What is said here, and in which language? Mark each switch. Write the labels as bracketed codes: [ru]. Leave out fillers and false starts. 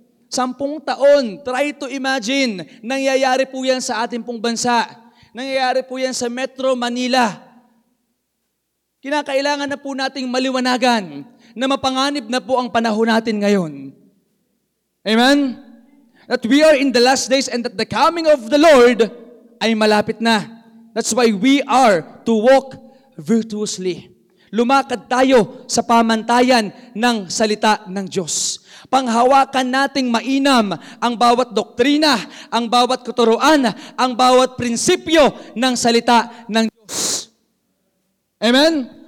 [tl] 10 taon, [en] try to imagine, [tl] nangyayari po yan sa ating pong bansa. Nangyayari po yan sa Metro Manila. Kinakailangan na po nating maliwanagan na mapanganib na po ang panahon natin ngayon. Amen? [en] That we are in the last days and that the coming of the Lord [tl] ay malapit na. [en] That's why we are to walk virtuously. [tl] Lumakad tayo sa pamantayan ng salita ng Diyos. Panghawakan nating mainam ang bawat doktrina, ang bawat katuruan, ang bawat prinsipyo ng salita ng Diyos. Amen?